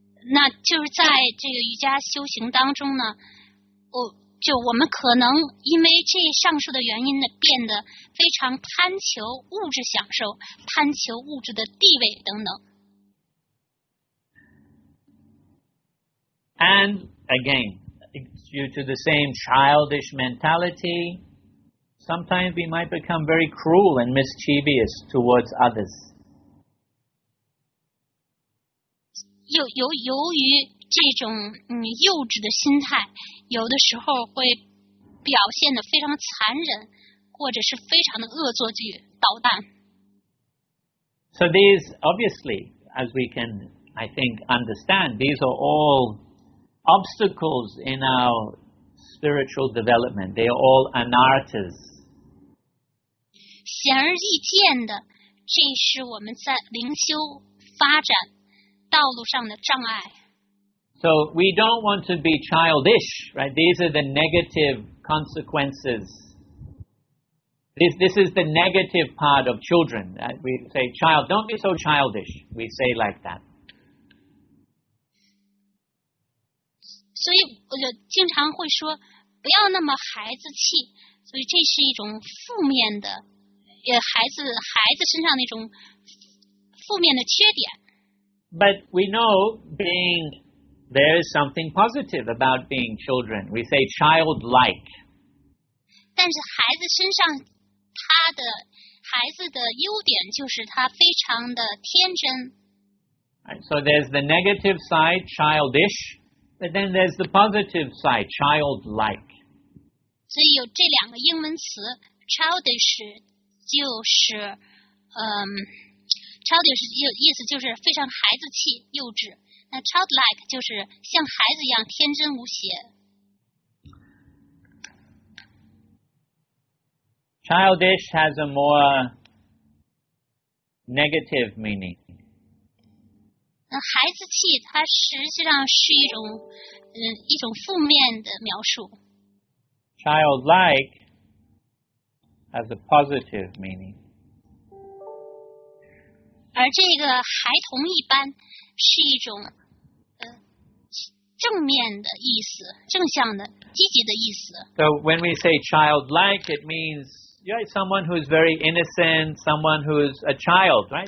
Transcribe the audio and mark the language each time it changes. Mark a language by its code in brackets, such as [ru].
[zh] 那就是在这个瑜伽修行当中呢，我们可能因为这上述的原因呢，变得非常贪求物质享受，贪求物质的地位等等。 [en] And again, due to the same childish mentality, sometimes we might become very cruel and mischievous towards others. [zh] 由于这种幼稚的心态，有的时候会表现得非常残忍，或者是非常的恶作剧、捣蛋。 [en] So these, obviously, as we can, I think, understand, these are all... obstacles in our spiritual development. They are all anarthas. [zh] 显而易见的，这是我们在灵修发展道路上的障碍。 [en] So we don't want to be childish, right? These are the negative consequences. This is the negative part of children. We say, child, don't be so childish. We say like that. [zh] 所以我就经常会说不要那么孩子气所以这是一种负面的孩子身上那种负面的缺点 [en] But we know being there is something positive about being children we say childlike [zh] 但是孩子身上他的孩子的优点就是他非常的天真 [en] right, So there's the negative side childishBut then there's the positive side, childlike. [zh] 所以有这两个英文词 childish 就是childish 意思就是非常孩子气幼稚那 childlike 就是像孩子一样天真无邪 [en] Childish has a more negative meaning. [zh] 孩子气它实际上是一种负面的描述。 [en] Childlike has a positive meaning. [zh] 而这个孩童一般是一种正面的意思，正向的，积极的意思。 [en] So when we say childlike, it means someone who is very innocent, someone who is a child, right?